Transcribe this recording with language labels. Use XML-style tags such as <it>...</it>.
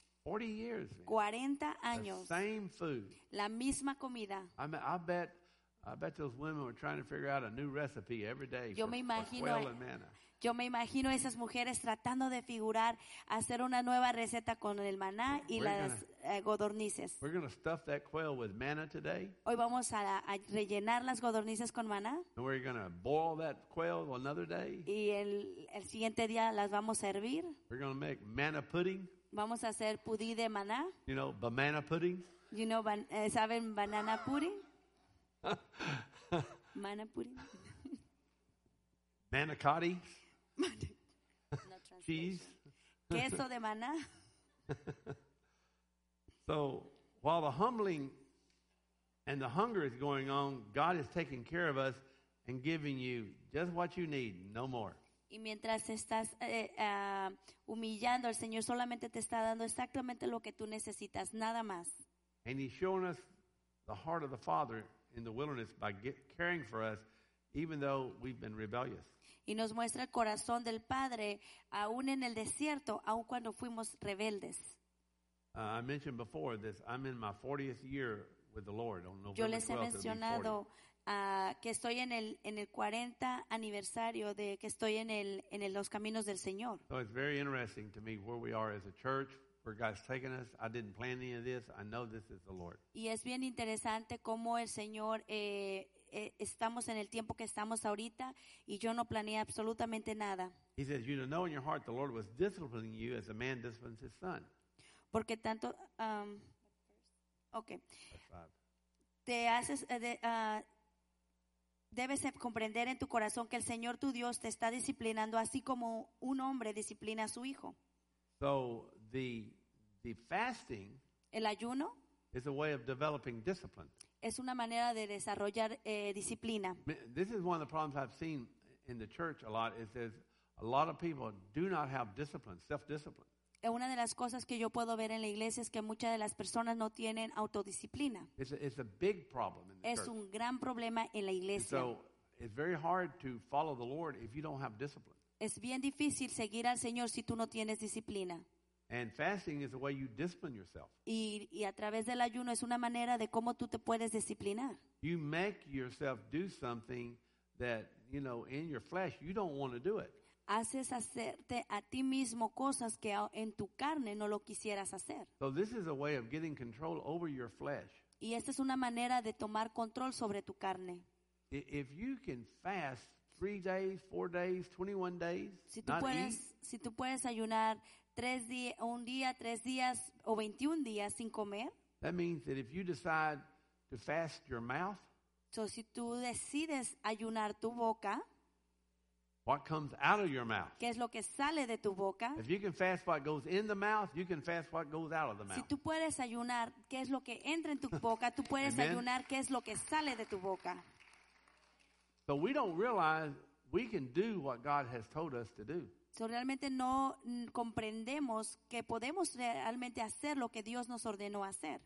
<en>40 years.</en> <es>40 años.</es> <en>The same food.</en> <es>La misma comida.</es> <en>I bet those women were trying to figure out a new recipe every day for quail and manna.</en> <es>Yo me imagino esas mujeres tratando de figurar hacer una nueva receta con el maná y las codornices.</es> <en>We're going to stuff that quail with manna today.</en> <es>Hoy vamos a rellenar las codornices con maná.</es> <en>And we're going to boil that quail another day.</en> <es>Y el siguiente día las vamos a hervir.</es> <en>We're going to make manna pudding.</en> <es>Vamos a hacer pudí de maná.</es> <en>You know, banana pudding. You know,</en> <es>¿saben</es> <en>banana pudding? Manna pudding. Manicotti. No, cheese.</en> <es>Queso de maná.</es> <en>So while the humbling and the hunger is going on, God is taking care of us and giving you just what you need, no more.</en> <es>Y mientras estás humillando, el Señor solamente te está dando exactamente lo que tú necesitas, nada más.</es> <en>And he's showing us the heart of the Father in the wilderness by caring for us even though we've been rebellious.</en> <es>Y nos muestra el corazón del Padre aún en el desierto, aun cuando fuimos rebeldes.</es> <en>I mentioned before this, I'm in my 40th year with the Lord on November 12th.</en> <es>Yo les he mencionado que estoy en el 40 aniversario de que estoy en los caminos del Señor.</es> <en>So it's very interesting to me where we are as a church, where God's taken us. I didn't plan any of this. I know this is the Lord.</en> <es>Y es bien interesante cómo el Señor estamos en el tiempo que estamos ahorita y yo no planeé absolutamente nada.</es> <en>He says, you know in your heart the Lord was disciplining you as a man disciplines his son.</en> <es>Porque tanto, okay. Te haces, debes comprender en tu corazón que el Señor tu Dios te está disciplinando así como un hombre disciplina a su hijo.</es> <en>So, The fasting,</en> <es>el ayuno,</es> <en>is a way of developing discipline.</en> <es>Es una manera de desarrollar disciplina.</es> <en>This is one of the problems I've seen in the church a lot. Is there's a lot of people do not have discipline, self-discipline.</en> <es>Una de las cosas que yo puedo ver en la iglesia es que muchas de las personas no tienen autodisciplina.</es> <en>It's a big problem in the church.</en> <es>Es un gran problema en la iglesia.</es> <en>So it's very hard to follow the Lord if you don't have discipline.</en> <es>Es bien difícil seguir al Señor si tú no tienes disciplina.</es> <en>And fasting is the way you discipline yourself.</en> <es>Y a través del ayuno es una manera de cómo tú te puedes disciplinar.</es> <en>You make yourself do something that, you know, in your flesh you don't want to do it.</en> <es>Haces hacerte a ti mismo cosas que en tu carne no lo quisieras hacer.</es> <en>So this is a way of getting control over your flesh.</en> <es>Y esta es una manera de tomar control sobre tu carne.</es> <en>If you can fast 3 days, 4 days, 21 days,</en> <es>si tú puedes, si tú puedes ayunar un día, 3 días o 21 días sin comer.</es> <en>That means that if you decide to fast your mouth,</en> <es>so si tú decides ayunar tu boca,</es> <en>what comes out of your mouth?</en> <es>¿Qué es lo que sale de tu boca?</es> <en>If you can fast what goes in the mouth, you can fast what goes out of the mouth.</en> <es>Si tú puedes ayunar, ¿qué es lo que entra en tu boca? Tú puedes ayunar, ¿qué es lo que sale de tu boca?</es> <en>So we don't realize we can do what God has told us to do.</en> <es>So realmente no comprendemos que podemos realmente hacer lo que Dios nos ordenó hacer.</es>